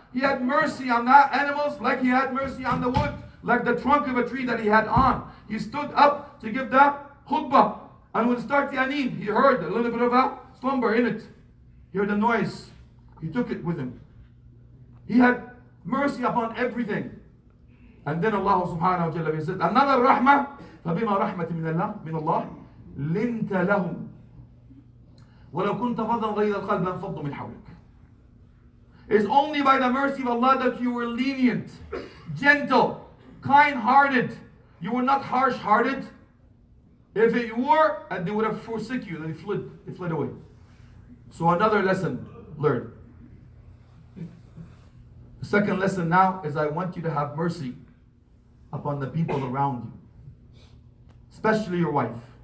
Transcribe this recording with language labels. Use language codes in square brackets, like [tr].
[en] He had mercy on that animals like he had mercy on the wood, like the trunk of a tree that he had on. He stood up to give the khutbah. And when start the aneen, he heard a little bit of a slumber in it. He heard a noise. He took it with him. He had mercy upon everything. And then Allah subhanahu wa ta'ala said, another rahmah, [ar] فَبِمَا رَحْمَةٍ مِنَ اللَّهِ لِنْتَ لَهُمْ وَلَوْ كُنْتَ فَضًا غَيْضَ الْقَلْبَ فَضُّ مِنْ حَوْلِكَ. [en] It's only by the mercy of Allah that you were lenient, gentle, kind-hearted. You were not harsh-hearted. If it were, and they would have forsook you, then they fled away. So another lesson learned. The second lesson now is I want you to have mercy upon the people around you, especially your wife.